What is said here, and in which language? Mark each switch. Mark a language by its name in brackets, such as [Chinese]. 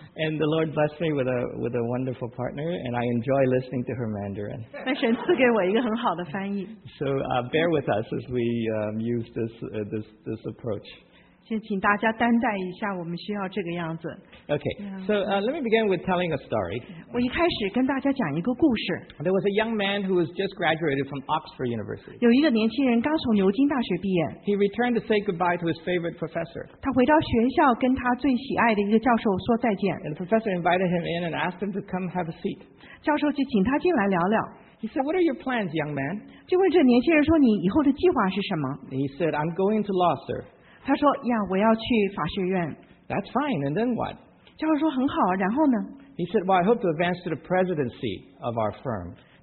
[English] And the Lord blessed me with a wonderful partner, and I enjoy listening to her Mandarin. [Chinese] 但神赐给我一个很好的翻译。 [English] So bear with us as we use this approach. [Chinese] 请大家担待一下，我们需要这个样子。 [English] Okay, so let me begin with telling a story. [Chinese] 我一开始跟大家讲一个故事。 [English] There was a young man who was just graduated from Oxford University. [Chinese] 有一个年轻人刚从牛津大学毕业。 [English] He returned to say goodbye to his favorite professor. [Chinese] 他回到学校跟他最喜爱的一个教授说再见。 [English] And the professor invited him in and asked him to come have a seat. [Chinese] 教授就请他进来聊聊。 [English] He said, "What are your plans, young man?" [Chinese] 就问这年轻人说，你以后的计划是什么？ He said, "I'm going to law, sir." 他说：“呀，我要去法学院。”That's [English] fine, and then what? [Chinese] 教授说：“很好，然后呢？” [English] He said, "Well, I hope to advance to the presidency of our firm."